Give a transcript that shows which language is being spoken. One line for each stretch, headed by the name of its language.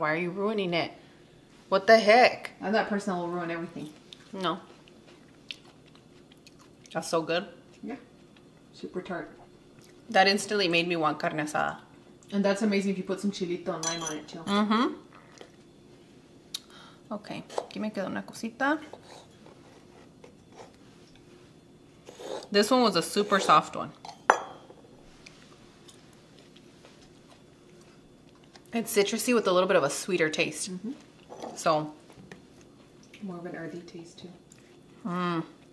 English: Why are you ruining it? What the heck? And that person will ruin everything. No. That's so good. Yeah. Super tart. That instantly made me want carne asada. And that's amazing if you put some chilito and lime on it too. Mm-hmm.
Spanish: Okay, aquí me quedó una cosita.
English: This one was a super soft one. It's citrusy with a little bit of a sweeter taste. Mm-hmm. So. More of an earthy taste too. Mmm.